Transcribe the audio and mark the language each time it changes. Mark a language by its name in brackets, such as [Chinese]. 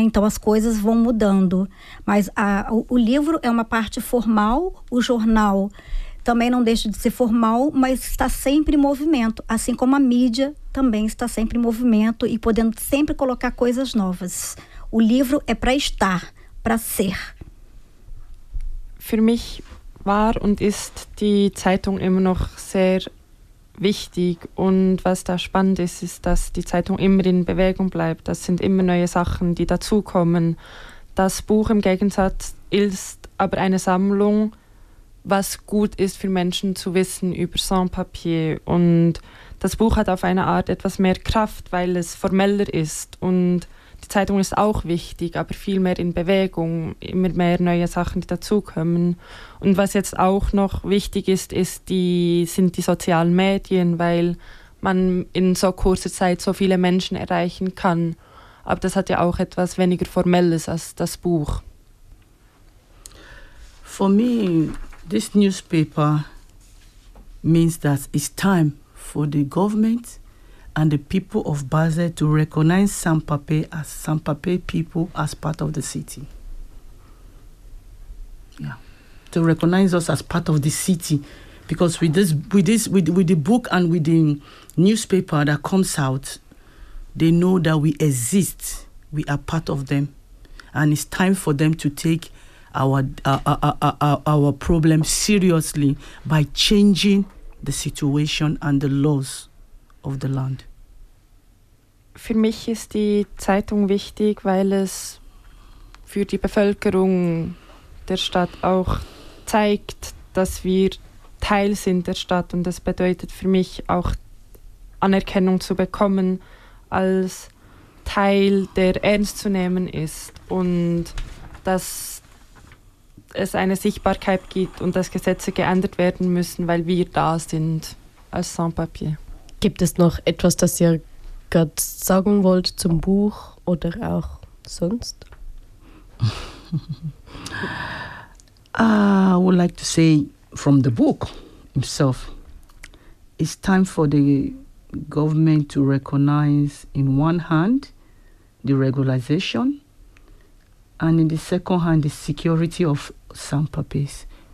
[Portuguese] Então as coisas vão mudando, mas o livro é uma parte formal, o jornal também não deixa de ser formal, mas está sempre em movimento, assim como a mídia também está sempre em movimento e podendo sempre colocar coisas novas. O livro é para estar, para ser. [German] Für mich war und ist die Zeitung immer noch sehr wichtig, und was da spannend ist, ist, dass die Zeitung immer in Bewegung bleibt. Das sind immer neue Sachen, die dazukommen. Das Buch im Gegensatz ist aber eine Sammlung, was gut ist für Menschen zu wissen über Sans-Papiers. Und das Buch hat auf eine Art etwas mehr Kraft, weil es formeller ist. Und die Zeitung ist auch wichtig, aber viel mehr in Bewegung, immer mehr neue Sachen, die dazukommen. Und was jetzt auch noch wichtig ist, sind die sozialen Medien, weil man in so kurzer Zeit so viele Menschen erreichen kann. Aber das hat ja auch etwas weniger Formelles als das Buch. [English] For me, this newspaper means that it's time for the government and the people of Basel to recognize Sans-Papiers as Sans-Papiers people as part of the city. Yeah. To recognize us as part of the city. Because with the book and with the newspaper that comes out, they know that we exist. We are part of them. And it's time for them to take our problem seriously by changing the situation and the laws of the land. [German] Für mich ist die Zeitung wichtig, weil es für die Bevölkerung der Stadt auch zeigt, dass wir Teil sind der Stadt. Und das bedeutet für mich auch, Anerkennung zu bekommen, als Teil, der ernst zu nehmen ist. Und dass es eine Sichtbarkeit gibt und dass Gesetze geändert werden müssen, weil wir da sind als Sans-Papiers. Gibt es noch etwas, das ihr gerade sagen wollt zum Buch oder auch sonst? [English] I would like to say from the book itself, it's time for the government to recognize in one hand deregulation, and in the second hand, the security of some puppies.